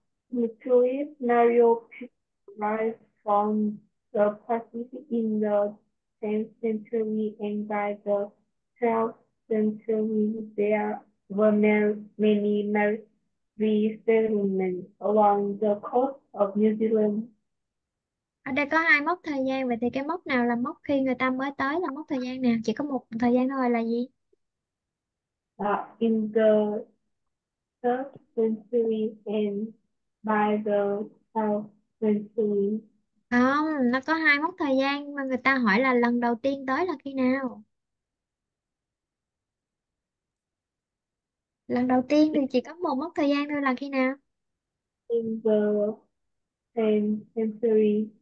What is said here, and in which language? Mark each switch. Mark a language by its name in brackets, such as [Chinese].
[English] Mercury Mario arrived from the Pacific in the 10th century, and by the 12th century, there were many Maori settlements along the coast of New Zealand. [Vietnamese] Ở đây có 2 mốc thời gian, vậy thì cái mốc nào là mốc khi người ta mới tới, là mốc thời gian nào? Chỉ có một thời gian thôi là gì? [English] In the 3rd century and by the 12th century. [Vietnamese] Không, nó có 2 mốc thời gian mà người ta hỏi là lần đầu tiên tới là khi nào? Lần đầu tiên thì chỉ có 1 mốc thời gian thôi, là khi nào? [English] In the 10th century.